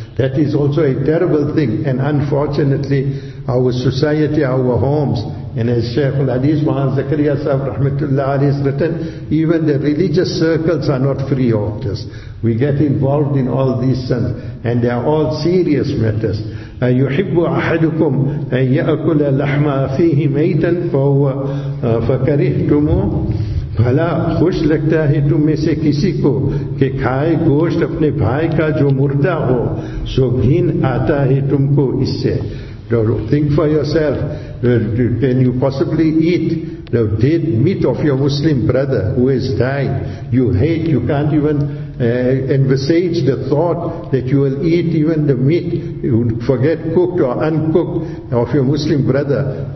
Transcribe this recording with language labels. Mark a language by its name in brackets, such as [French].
[English] That is also a terrible thing, and unfortunately our society, our homes, and as Shaykh al-Hadith Muhammad Zakariya Sahib rahmatullah alayhi has written, even the religious circles are not free of this. We get involved in all these sins, and they are all serious matters. [Arabic] يُحِبُّ أَحَدُكُمْ أَنْ يَأْكُلَ لَحْمَ فِيهِ مَيْتًا فَكَرِهْتُمُ [Urdu] بھلا خوش لگتا ہے تم میں سے کسی کو کہ کھائے گوشت اپنے بھائی کا جو مردہ ہو سو گھن آتا ہے تم کو اس سے. [English] Think for yourself, can you possibly eat the dead meat of your Muslim brother who has died? You hate, you can't even envisage the thought that you will eat even the meat, you forget cooked or uncooked, of your Muslim brother.